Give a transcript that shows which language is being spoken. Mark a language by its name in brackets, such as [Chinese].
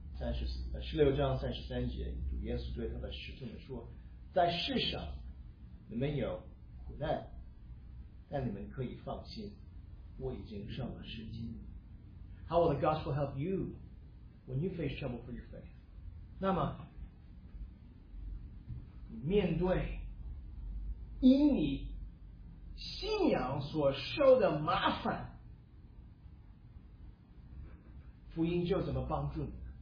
[Chinese] 约翰福音十六章三十三节, 主耶稣对他的使徒们说, 在世上, 你们有苦难, 但你们可以放心, 我已经胜了世界。 [English] How will the gospel help you when you face trouble for your faith? [Chinese] 那么面对因你信仰所受的麻烦, 福音就怎么帮助你?